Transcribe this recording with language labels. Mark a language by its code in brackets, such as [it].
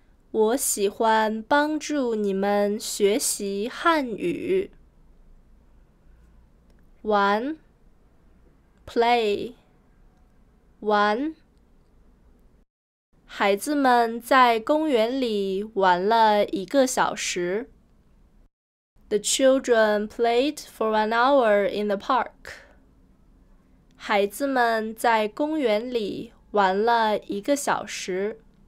[zh] 我喜欢帮助你们学习汉语。玩 [en] play [zh] 玩孩子们在公园里玩了一个小时。 [en] The children played for 1 hour in the park. [zh] 孩子们在公园里玩了一个小时。